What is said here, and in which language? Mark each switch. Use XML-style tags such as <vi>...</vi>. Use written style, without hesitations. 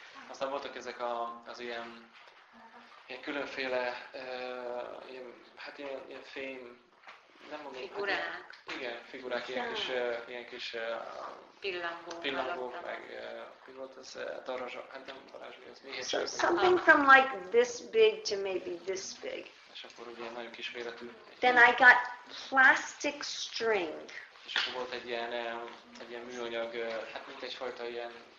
<hu>Aztán voltak ezek az ilyen, ilyen különféle, ilyen, hát ilyen fém, nem mondom. Figurák. Hát ilyen, igen, figurák, ilyen kis pillangók, meg mi volt az, hát nem varázsli, az méhes.</hu> <en>So, something from like this big to maybe this big.</en> <hu>És akkor ugye nagyon kis méretű.</hu> <en>Then I got plastic string.</en> <hu>És akkor volt egy ilyen műanyag, hát mint egyfajta ilyen.</hu>